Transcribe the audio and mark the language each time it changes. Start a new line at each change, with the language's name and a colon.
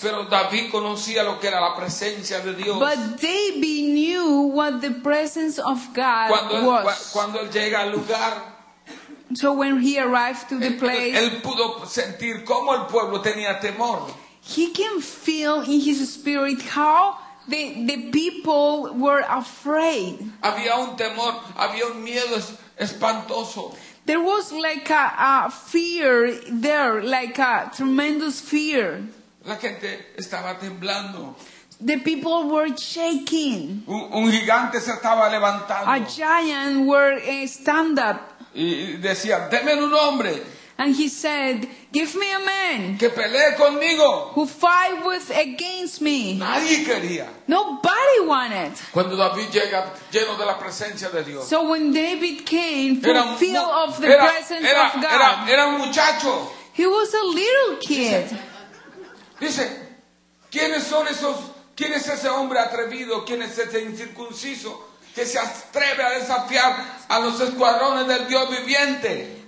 Spanish: Pero David conocía lo que era la presencia de Dios.
English: But David knew what the presence of God
Spanish: cuando él,
English: was.
Spanish: Cuando él llega al lugar,
English: so when he arrived to the place,
Spanish: él pudo sentir cómo el pueblo tenía temor.
English: He can feel in his spirit how the people were afraid.
Spanish: Había un temor, había un miedo espantoso.
English: There was like a fear there, like a tremendous fear.
Spanish: La gente estaba temblando.
English: The people were shaking.
Spanish: Un gigante se estaba levantando.
English: A giant were stand up.
Spanish: Y decía, deme un hombre.
English: And he said, give me a man
Spanish: que pelee conmigo.
English: Who fight with against me.
Spanish: Nadie quería.
English: Nobody wanted.
Spanish: Cuando David llega lleno de la presencia de Dios.
English: So when David came fulfilled of the presence of God.
Spanish: Era un muchacho.
English: He was a little kid.
Spanish: Dice, ¿quiénes son esos? ¿Quién es ese hombre atrevido? ¿Quién es ese incircunciso? Que se atreve a desafiar a los escuadrones del Dios viviente.